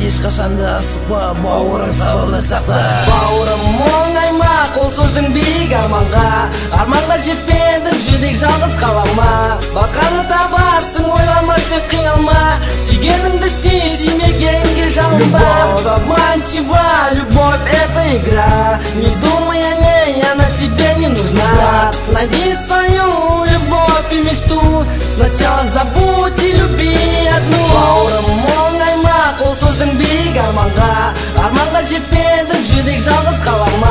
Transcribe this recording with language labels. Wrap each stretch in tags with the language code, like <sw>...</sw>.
<kk>Ешқашан да асықпа бауырым, сабырлы сақта. Бауырым оңай ма, қол создың биік арманға. Арманға жетпендің, жүрек жалғыз қалама. Басқаны табарсың, ойлама сен қиналма. Сүйгеніңді сүй, сүймегеніңге жалынба.</kk> <ru>Любовь обманчива, любовь — это игра. Не думай о ней, она тебе не нужна. Брат, найди свою любовь и мечту. Сначала забудь и люби одну.</ru> <kk>Бауырым оңай ма, қол создың биік арманға. Арманға жетпендің, жүрек жалғыз қалама.</kk>